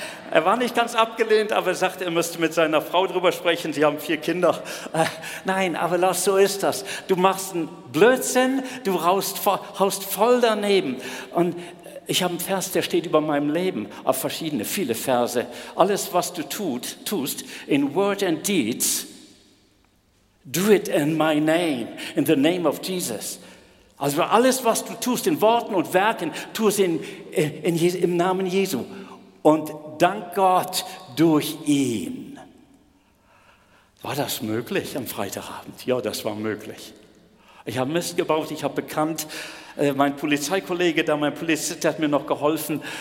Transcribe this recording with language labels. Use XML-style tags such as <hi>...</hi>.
<de>Er war nicht ganz abgelehnt, aber er sagte, er müsste mit seiner Frau drüber sprechen, sie haben 4 Kinder. Nein, aber Lars, so ist das. Du machst einen Blödsinn, du haust voll daneben. Und ich habe einen Vers, der steht über meinem Leben, auf verschiedene, viele Verse. Alles, was du tust,</de> <en>in word and deeds, do it in my name, in the name of Jesus.</en> <de>Also alles, was du tust, in Worten und Werken, tu es im Namen Jesu. Und dank Gott durch ihn. War das möglich am Freitagabend? Ja, das war möglich. Ich habe Mist gebaut, ich habe bekannt, mein Polizeikollege, da mein Polizist hat mir noch geholfen.</de>